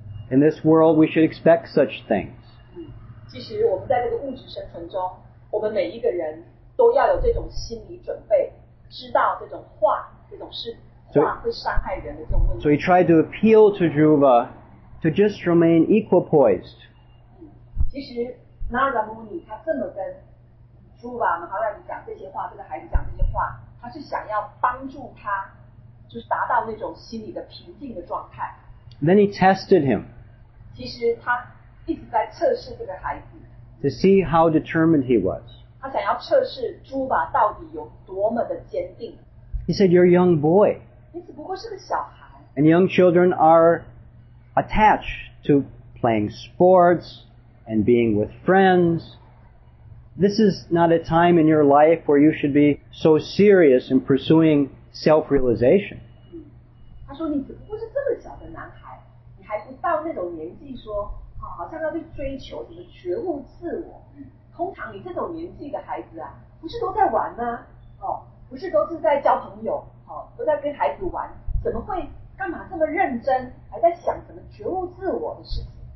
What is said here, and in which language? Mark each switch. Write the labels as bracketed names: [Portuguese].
[English] In this world, we should expect such things. [Chinese] 其实我们在这个物质生存中，我们每一个人都要有这种心理准备，知道这种话，这种是话会伤害人的这种问题。 [English] So he tried to appeal to Dhruva to just remain equipoised. [Chinese] 其实 Narada Muni 他这么跟 Dhruva Maharaj 讲这些话，这个孩子讲这些话，他是想要帮助他。就是达到那种心理的平静的状态。 [English] Then he tested him. [Chinese] 其实他一直在测试这个孩子。 [English] To see how determined he was. [Chinese] 他想要测试朱巴到底有多么的坚定。 [English] He said, "You're a young boy." [Chinese] 你只不过是个小孩。 [English] And young children are attached to playing sports and being with friends. This is not a time in your life where you should be so serious in pursuing self-realization. [Chinese] 他说你只不过是这么小的男孩，你还不到那种年纪说好像要去追求什么觉悟自我。通常你这种年纪的孩子啊，不是都在玩吗？不是都是在交朋友，都在跟孩子玩，怎么会干嘛这么认真，还在想什么觉悟自我的事情？